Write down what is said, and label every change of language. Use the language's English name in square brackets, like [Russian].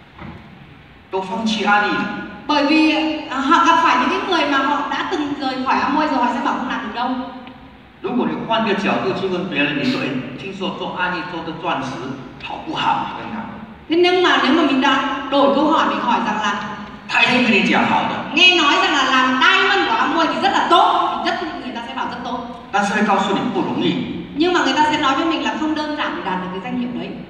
[Chinese] 因为市场很多人呢，都放弃安利的。 [Vietnamese] Bởi vì họ gặp phải những người mà họ đã từng rời khỏi Amway rồi, họ sẽ bảo không làm được đâu. [Chinese] 如果你换个角度去问别人，你说，哎，听说做安利做的钻石好不好？ [Vietnamese] Thế nhưng mà nếu mà mình đã đổi câu hỏi, mình hỏi rằng là, [Chinese] 他一定跟你讲好的。 [Vietnamese] Nghe nói rằng là làm diamond của Amway thì rất là tốt, rất người ta sẽ bảo rất tốt. [Chinese] 但是会告诉你不容易。 [Vietnamese] Nhưng mà người ta sẽ nói cho mình là không đơn giản để đạt được cái danh hiệu đấy.